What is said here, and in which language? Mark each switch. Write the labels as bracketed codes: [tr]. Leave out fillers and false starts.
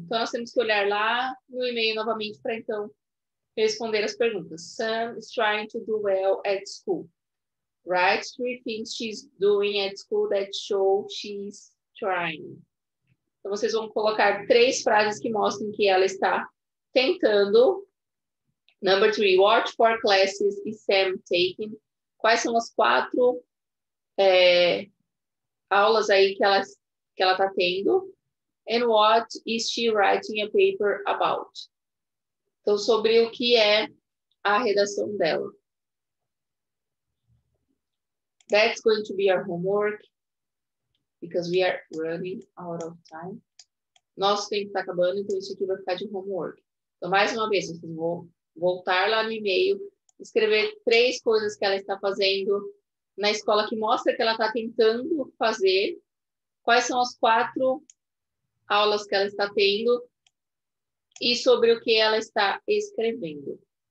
[pt] Então nós temos que olhar lá no e-mail novamente para então responder as perguntas. [en] Sam is trying to do well at school. Write three things she's doing at school that show she's trying. [pt] Então, vocês vão colocar três frases que mostrem que ela está tentando. [en] Number three, what four classes is Sam taking? [pt] Quais são as quatro aulas aí que ela está tendo? [en] And what is she writing a paper about? [pt] Então, sobre o que é a redação dela. [en] That's going to be our homework, because we are running out of time. [pt] Nosso tempo está acabando, então isso aqui vai ficar de homework. Então, mais uma vez, vocês vão voltar lá no e-mail, escrever três coisas que ela está fazendo na escola que mostra que ela está tentando fazer, quais são as quatro aulas que ela está tendo e sobre o que ela está escrevendo.